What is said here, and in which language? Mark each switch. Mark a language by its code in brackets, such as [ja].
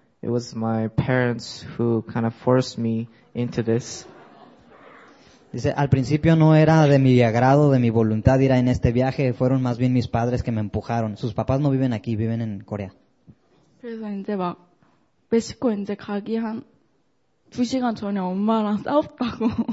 [en] It was my parents who kind of forced me into this. [es] Dice, al principio no era de mi agrado, de mi voluntad ir a en este viaje. Fueron más bien mis padres que me empujaron. Sus papás no viven aquí, viven en Corea. [ko] 그래서 이제 막 멕시코 이제 가기 한 두 시간 전에 엄마랑 싸웠다고.